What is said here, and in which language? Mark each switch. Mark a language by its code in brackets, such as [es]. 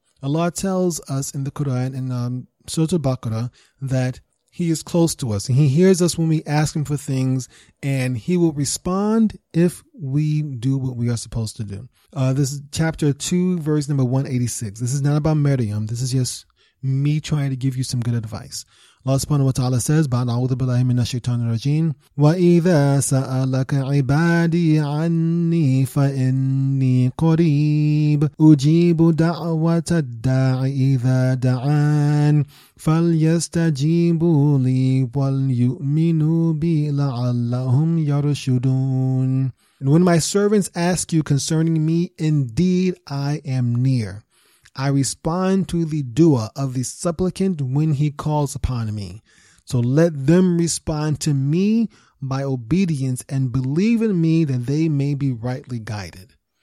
[en] Allah tells us in the Quran, in Surah Al-Baqarah, that he is close to us. He hears us when we ask him for things, and he will respond if we do what we are supposed to do. This is chapter 2, verse number 186. This is not about Maryam. This is just me trying to give you some good advice. Allah subhanahu wa ta'ala says, [ar] بَعْنَعُوذُ بِاللَّهِ مِنَّ الشَّيْطَانِ الرَّجِيمِ وَإِذَا سَأَلَكَ عِبَادِي عَنِّي فَإِنِّي قَرِيبٌ أُجِيبُ دَعْوَةَ الدَّاعِ إِذَا دَعَانِ فَلْيَسْتَجِيبُوا لِي وَلْيُؤْمِنُوا بِي لَعَلَّهُمْ يَرْشُدُونَ. [en] And when my servants ask you concerning me, indeed I am near. I respond to the dua of the supplicant when he calls upon me. So let them respond to me by obedience and believe in me that they may be rightly guided.